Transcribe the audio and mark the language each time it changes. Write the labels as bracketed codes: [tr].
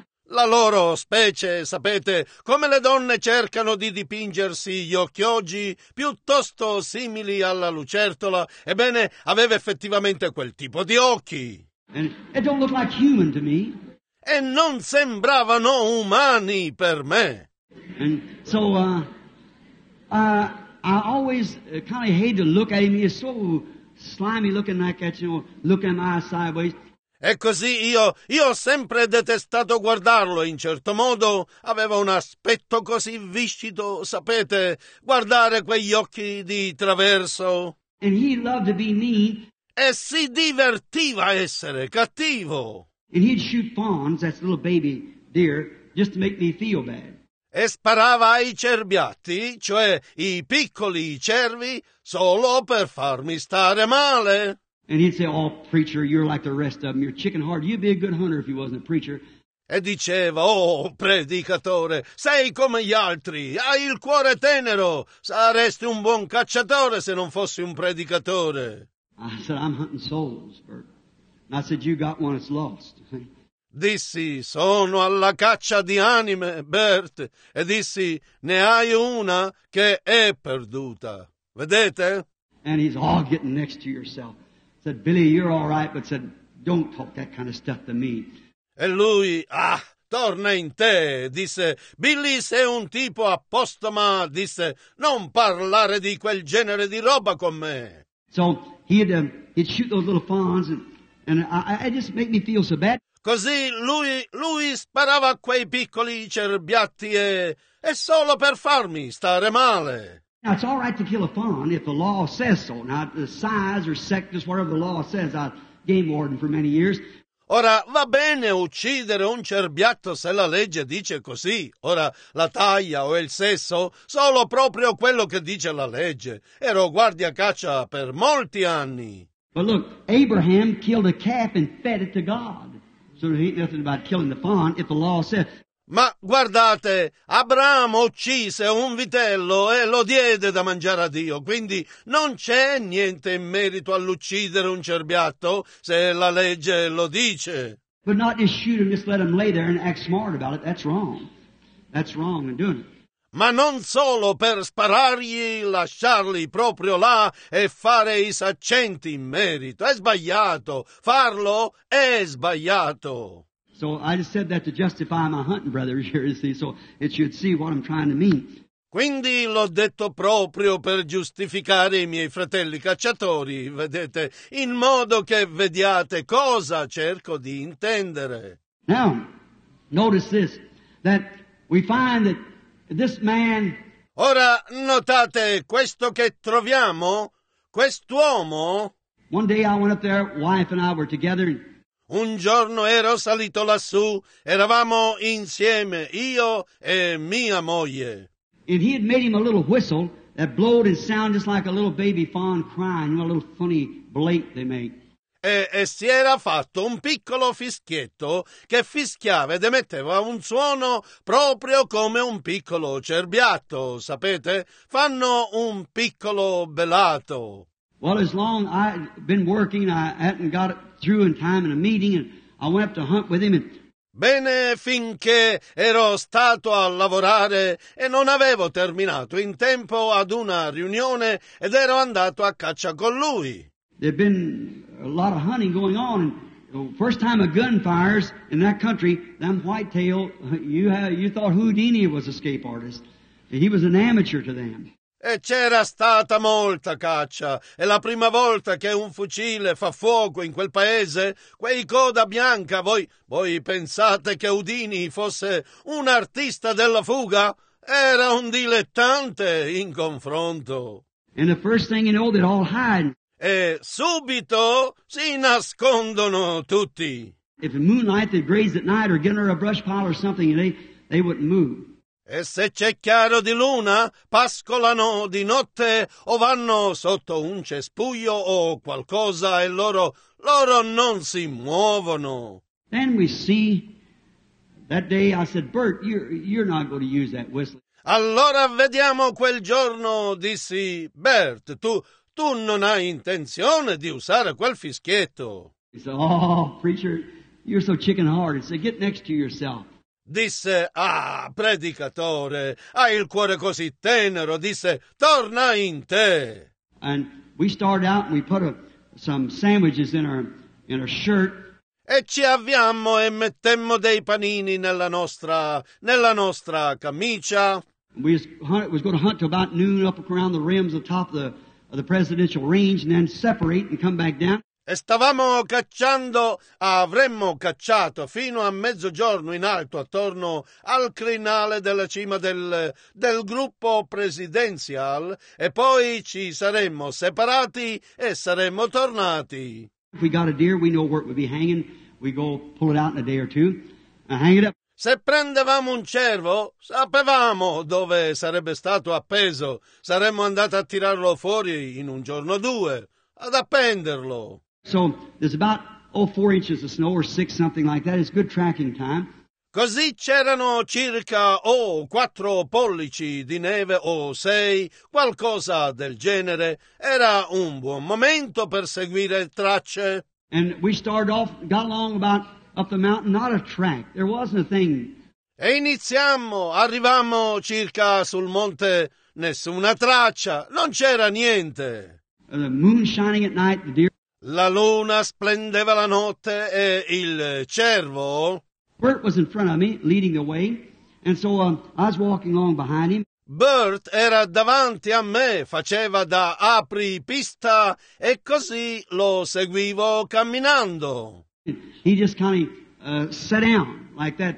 [it] La loro specie, sapete, come le donne cercano di dipingersi gli occhi oggi, piuttosto simili alla lucertola, ebbene, aveva effettivamente quel tipo di occhi. [en] It don't look like human to me. [it] E non sembravano umani per me. [en] And so, I always kind of hate to look at him. He's so slimy looking like that, you know, looking at my eyes sideways. [it] E così io ho sempre detestato guardarlo in certo modo. Aveva un aspetto così viscido, sapete, guardare quegli occhi di traverso. [en] And he loved to be mean. [it] E si divertiva a essere cattivo. [en] And he'd shoot fawns, that's a little baby deer, just to make me feel bad. [it] E sparava ai cerbiatti, cioè i piccoli cervi, solo per farmi stare male. [en] And he'd say, "Oh, preacher, you're like the rest of them. You're chicken hearted. You'd be a good hunter if you wasn't a preacher." [it] E diceva, "Oh, predicatore, sei come gli altri. Hai il cuore tenero. Saresti un buon cacciatore se non fossi un predicatore." [en] I said, "I'm hunting souls, Bert." And I said, "You got one that's lost." [it] Dissi, "Sono alla caccia di anime, Bert." E dissi, "Ne hai una che è perduta. Vedete?" [en] And he's all getting next to yourself. Said, "Billy, you're all right, but said, don't talk that kind of stuff to me." [it] E lui, "Ah, torna in te," disse, "Billy, sei un tipo a posto, ma," disse, "non parlare di quel genere di roba con me." [en] So he'd shoot those little fawns, and I just make me feel so bad. [it] Così lui sparava quei piccoli cerbiatti e solo per farmi stare male. [en] Now it's all right to kill a fawn if the law says so. Now the size or sex, just whatever the law says. I game warden for many years. [it] Ora va bene uccidere un cerbiatto se la legge dice così. Ora la taglia o il sesso, solo proprio quello che dice la legge. Ero guardia caccia per molti anni. [en] But look, Abraham killed a calf and fed it to God. So there ain't nothing about killing the fawn if the law says. [it] Ma guardate, Abramo uccise un vitello e lo diede da mangiare a Dio, quindi non c'è niente in merito all'uccidere un cerbiatto se la legge lo dice. [en] But not just shoot him, just let him lay there and act smart about it. That's wrong. That's wrong in doing it. [it] Ma non solo per sparargli, lasciarli proprio là e fare i saccenti in merito. È sbagliato. Farlo è sbagliato. [en] So I just said that to justify my hunting brothers here, you see, so it should see what I'm trying to mean. [it] Quindi l'ho detto proprio per giustificare i miei fratelli cacciatori, vedete, in modo che vediate cosa cerco di intendere. [en] Now, notice this, that we find that this man... [it] Ora, notate questo che troviamo, quest'uomo... [en] One day I went up there, wife and I were together... [it] Un giorno ero salito lassù, eravamo insieme, io e mia moglie. [en] And he had made him a little whistle that blowed and sounded just like a little baby fawn crying, a little funny bleat they make. [it] E si era fatto un piccolo fischietto che fischiava ed emetteva un suono proprio come un piccolo cerbiatto, sapete? Fanno un piccolo belato. [en] Well, as long as I'd been working, I hadn't got it through in time in a meeting, and I went up to hunt with him. And... [it] Bene, finché ero stato a lavorare e non avevo terminato in tempo ad una riunione ed ero andato a caccia con lui. [en] There'd been a lot of hunting going on. First time a gun fires in that country, them whitetail, you thought Houdini was an escape artist. He was an amateur to them. [it] E c'era stata molta caccia, e la prima volta che un fucile fa fuoco in quel paese, quei coda bianca, voi pensate che Houdini fosse un artista della fuga? Era un dilettante in confronto. [en] And the first thing you know, they'd all hide. [it] E subito si nascondono tutti. [en] If the moonlight had grazed at night or given her a brush pile or something, they wouldn't move. [it] E se c'è chiaro di luna, pascolano di notte o vanno sotto un cespuglio o qualcosa e loro loro non si muovono. [en] Then we see that day I said, Bert, you're not going to use that whistle. [it] Allora vediamo quel giorno, dissi, Bert, tu non hai intenzione di usare quel fischietto. [en] He said, oh, preacher, you're so chicken-hearted. So get next to yourself. [it] Disse, ah, predicatore, hai il cuore così tenero. Disse, torna in te. [en] And we started out and we put some sandwiches in our shirt. [it] E ci avviammo e mettemmo dei panini nella nostra camicia. [en] We was going to hunt till about noon up around the rims atop the presidential range and then separate and come back down. [it] E stavamo cacciando, avremmo cacciato fino a mezzogiorno in alto attorno al crinale della cima del gruppo presidential e poi ci saremmo separati e saremmo tornati. [en] If we got a deer, we know where it would be hanging. We go pull it out in a day or two and hang it up. [it] Se prendevamo un cervo, sapevamo dove sarebbe stato appeso. Saremmo andati a tirarlo fuori in un giorno o due, ad appenderlo. [en] So there's about 4 inches of snow or 6, something like that. It's good tracking time. [it] Così c'erano circa 4 pollici di neve o 6, qualcosa del genere. Era un buon momento per seguire tracce. [en] And we started off, got along about up the mountain, not a track. There wasn't a thing. [it] E iniziammo, arrivammo circa sul monte, nessuna traccia, non c'era niente. [en] The moon shining at night, the deer. [it] La luna splendeva la notte e il cervo. [en] Bert was in front of me, leading the way, and so I was walking along behind him. [it] Bert era davanti a me, faceva da apripista, e così lo seguivo camminando. [en] He just kind of sat down like that.